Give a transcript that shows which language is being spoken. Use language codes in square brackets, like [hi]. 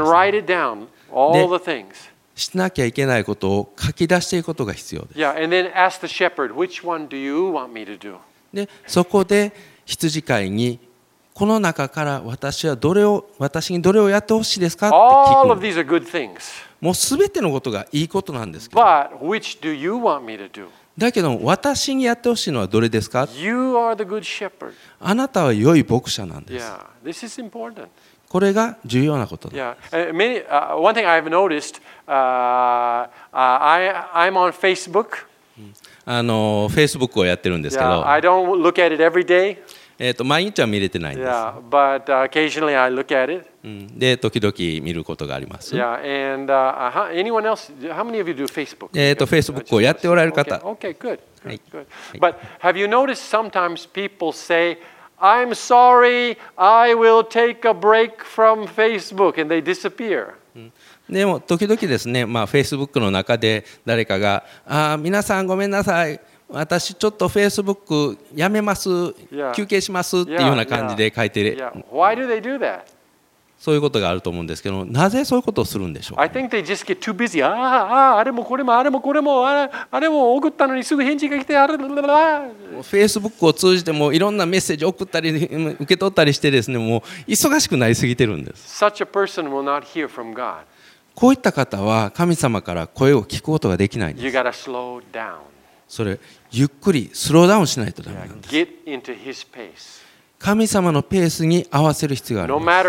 [en] And write it down all the things. [ja] しなきゃいけないことを書き出していくことが必要です。 [en] Yeah, and then ask the shepherd, which one do you want me to do? [ja] で、そこで羊飼いにこの中から私はどれを私にどれをやってほしいですかって聞く。 [en] All of these are good things. [ja] もうすべてのことがいいことなんですけど。 [en] But which do you want me to do? [ja] だけど私にやってほしいのはどれですか。 [en] You are the good shepherd. [ja] あなたは良い牧者なんです。 [en] Yeah, this is important. [ja] これが重要なことだ。 [en] Yeah, many, one thing I've noticed, I'm on Facebook. [ja] Facebook をやってるんですけど、 [en] I don't look at it every day. [ja] 毎日は見れてないんです。 [en] Yeah, but occasionally I look at it. [ja] で、時々見ることがあります。 [en] Yeah, and anyone else? How many of you do Facebook? [ja] Facebook をやっておられる方。 [en] Okay, good. But have you noticed sometimes people say, "I'm sorry, I will take a break from Facebook," and they disappear. [ja] でも時々ですね、まあ、Facebook の中で誰かが、あ、皆さんごめんなさい、私ちょっと Facebook やめます、休憩しますっていうような感じで書いてる。 [en] Why do they do that? [ja] そういうことがあると思うんですけど、なぜそういうことをするんでしょうか。 [en] I think they just get too busy. [ja] あれもこれもあれもこれもあれも送ったのにすぐ返事が来て、あれだだだ。 Facebook を通じてもいろんなメッセージ送ったり受け取ったりしてですね、もう忙しくなりすぎてるんです。 [en] Such a person will not hear from God. [ja] こういった方は神様から声を聞くことができないんです。 [en] You gotta slow down. [ja] それゆっくりスローダウンしないとダメなんです。 [en] Get into His pace. [ja] 神様のペースに合わせる必要があります。